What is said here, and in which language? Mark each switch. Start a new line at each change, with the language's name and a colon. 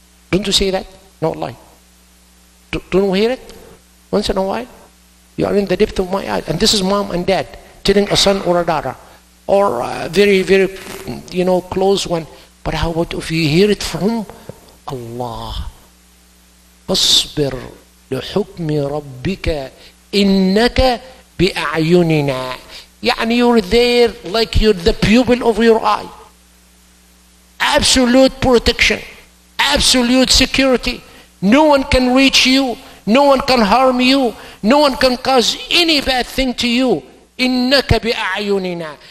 English: Don't you say that? No lie. Don't we hear it? Once in a while? You are in the depth of my eyes. And this is mom and dad telling a son or a daughter. Or a very, very, you know, close one. But how about if you hear it from Allah?
Arabic: Asbir لحكم ربك إنك بأعيننا.
English: يعني you're there like you're the pupil of your eye. Absolute protection. Absolute security. No one can reach you. No one can harm you. No one can cause any bad thing to you.
Arabic: إنك بأعيننا.